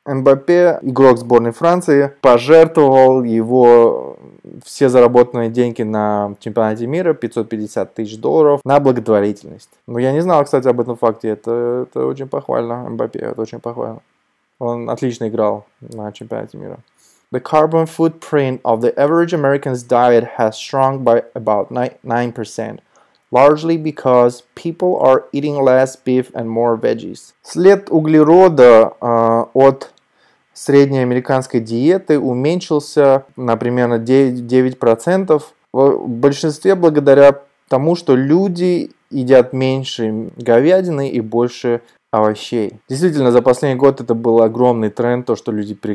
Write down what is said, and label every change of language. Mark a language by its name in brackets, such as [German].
[Russian] Mbappé, игрок сборной Франции, пожертвовал его все заработанные деньги на чемпионате мира, 550 тысяч долларов, на благотворительность. Ну, я не знал, кстати, об этом факте. Это очень похвально, Mbappé, это очень похвально. Он отлично играл на чемпионате мира. [English] The carbon footprint of the average American's diet has shrunk by about 9%, largely because people are eating less beef and more veggies. [Russian] След углерода от среднеамериканской диеты уменьшился на примерно 9% в большинстве благодаря тому, что люди едят меньше говядины и больше овощей. Действительно, за последний год это был огромный тренд, то, что люди